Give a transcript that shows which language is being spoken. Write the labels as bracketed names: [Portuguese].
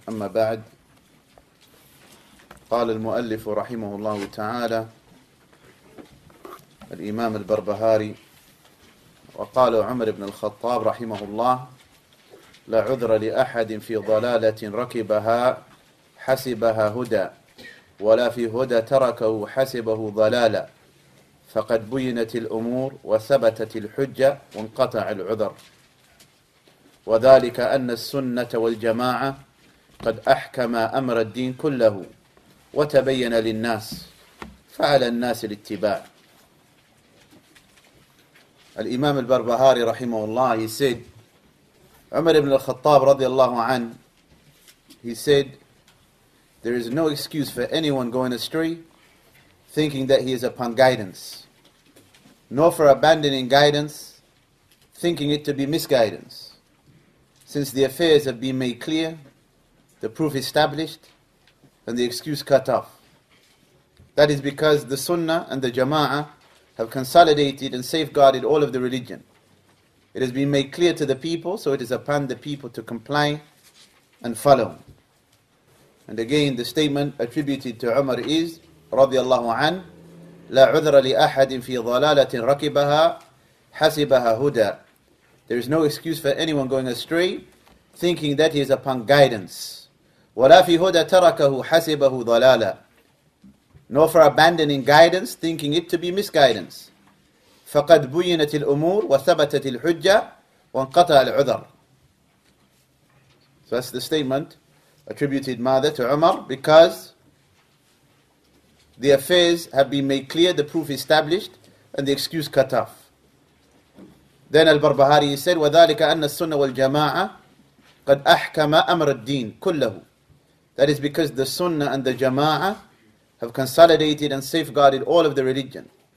[Arabic] أما بعد، قال المؤلف رحمه الله تعالى الإمام البربهاري، وقال عمر بن الخطاب رحمه الله: لا عذر لأحد في ضلالة ركبها حسبها هدى، ولا في هدى تركه حسبه ضلالا، فقد بينت الأمور وثبتت الحجة وانقطع العذر. وذلك أن السنة والجماعة قد أحكم أمر الدين كله وتبين للناس، فعلى الناس الاتباع. الإمام البربهاري رحمه الله يسيد عمر بن الخطاب رضي الله عنه، يسيد: [English] There is no excuse for anyone going astray thinking that he is upon guidance, nor for abandoning guidance thinking it to be misguidance. Since the affairs have been made clear, the proof established, and the excuse cut off. That is because the Sunnah and the Jama'ah have consolidated and safeguarded all of the religion. It has been made clear to the people, so it is upon the people to comply and follow. And again, the statement attributed to Umar is, [Arabic] رضي الله عنه: لا عذر لأحد في ضلالة ركبها حسبها هدى. [English] There is no excuse for anyone going astray thinking that he is upon guidance. [Arabic] وَلَا فِي هُدَى تَرَكَهُ حَسِبَهُ ضَلَالًا. [English] Nor for abandoning guidance thinking it to be misguidance. [Arabic] فَقَدْ بُيِّنَتِ الْأُمُورِ وَثَبَتَتِ الْحُجَّةِ وَانْقَطَى الْعُذَرِ. [English] So that's the statement attributed [Arabic] ماذا [English] to Umar? Because the affairs have been made clear, the proof established, and the excuse cut off. Then al-Barbahari said, [Arabic] وَذَلِكَ أَنَّ السُّنَّ وَالْجَمَاعَةِ قَدْ أَحْكَمَ أَمْرَ الدِّينِ كُلَّهُ. [English] That is because the Sunnah and the Jama'ah have consolidated and safeguarded all of the religion.